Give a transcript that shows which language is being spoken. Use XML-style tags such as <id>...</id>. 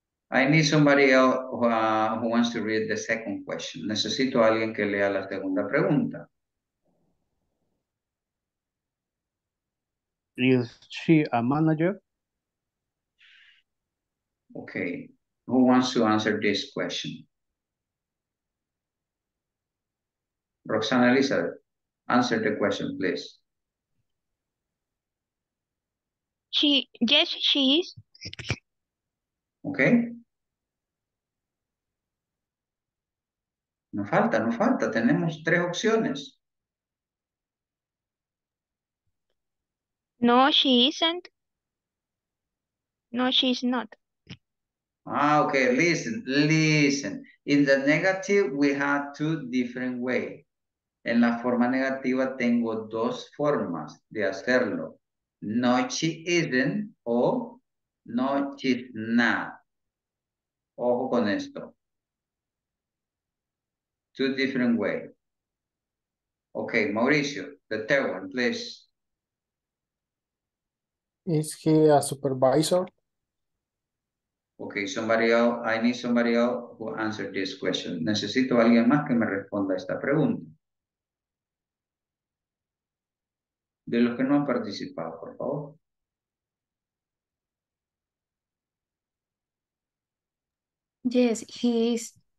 <en>I need somebody else who wants to read the second question.</en> <es>Necesito a alguien que lea la segunda pregunta.</es> <en>Is she a manager? Okay, who wants to answer this question? Roxana Elizabeth, answer the question, please. Yes, she is. Okay.</en> <es>No falta, tenemos tres opciones.</es> <en>No, she isn't. No, she's not. Ah, okay, listen, listen. In the negative, we have two different ways.</en> <es>En la forma negativa, tengo dos formas de hacerlo.</es> <en>No, she isn't, o no, she's not.</en> <es>Ojo con esto.</es> <en>Two different ways. Okay, Mauricio, the third one, please. Is he a supervisor? Okay, somebody else, I need somebody else who answered this question.</en> <es>Necesito a alguien más que me responda esta pregunta. De los que no han participado, por favor.</es> <en>Yes, he is.</en>